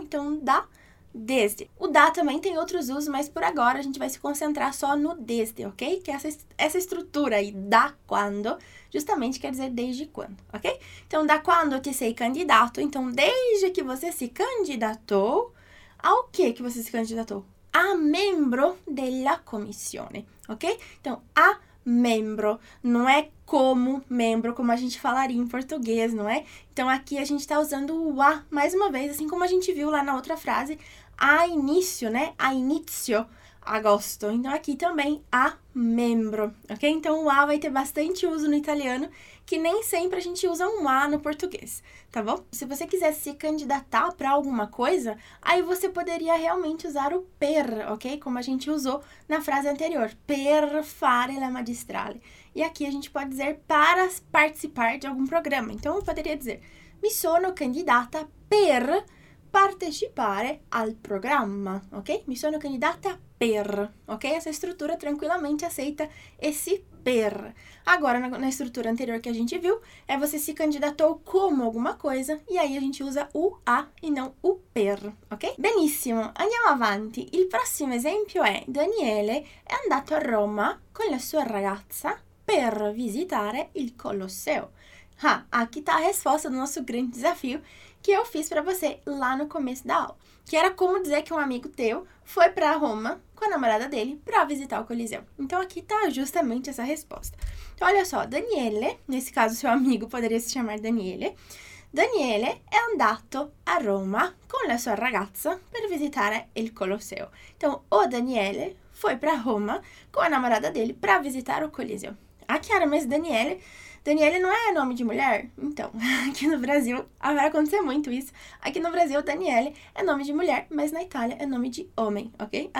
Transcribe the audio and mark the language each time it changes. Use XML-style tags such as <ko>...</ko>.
<pt>Então, da, desde. O da também tem outros usos, mas por agora a gente vai se concentrar só no desde, ok? Que essa estrutura aí,</pt> <it>da quando,</it> <pt>justamente quer dizer desde quando, ok? Então,</pt> <it>da quando te sei candidato,</it> <pt>então, desde que você se candidatou, ao que você se candidatou?</pt> <it>A membro della commissione, ok?</it> <pt>Então, a membro, não é como membro, como a gente falaria em português, não é? Então, aqui a gente está usando o a, mais uma vez, assim como a gente viu lá na outra frase, a início, né?</pt> <it>A inizio, agosto.</it> <pt>Então, aqui também,</pt> <it>a membro, ok?</it> <pt>Então, o a vai ter bastante uso no italiano, que nem sempre a gente usa um a no português, tá bom? Se você quiser se candidatar para alguma coisa, aí você poderia realmente usar o per, ok? Como a gente usou na frase anterior,</pt> <it>per fare la magistrale.</it> <pt>E aqui a gente pode dizer para participar de algum programa. Então, eu poderia dizer,</pt> <it>mi sono candidata per partecipare al programma,</it> <pt>ok?</pt> <it>Mi sono candidata per, ok?</it> <pt>Essa estrutura tranquilamente aceita esse per. Agora, na estrutura anterior que a gente viu, é você se candidatou como alguma coisa, e aí a gente usa o a e não o per, ok?</pt> <it>Benissimo, andiamo avanti. Il prossimo esempio è: Daniele è andato a Roma con la sua ragazza per visitare il Colosseo.</it> <pt>Ah, aqui está a resposta do nosso grande desafio, que eu fiz para você lá no começo da aula, que era como dizer que um amigo teu foi para Roma com a namorada dele para visitar o Coliseu. Então aqui tá justamente essa resposta. Então, olha só, Daniele, nesse caso seu amigo poderia se chamar Daniele.</pt> <it>Daniele è andato a Roma con la sua ragazza per visitare il Colosseo.</it> <pt>Então, o Daniele foi para Roma com a namorada dele para visitar o Coliseu. Aqui era, mas Daniele, Daniele não é nome de mulher? Então, aqui no Brasil, vai acontecer muito isso. Aqui no Brasil, Daniele é nome de mulher, mas na Itália é nome de homem, ok?</pt>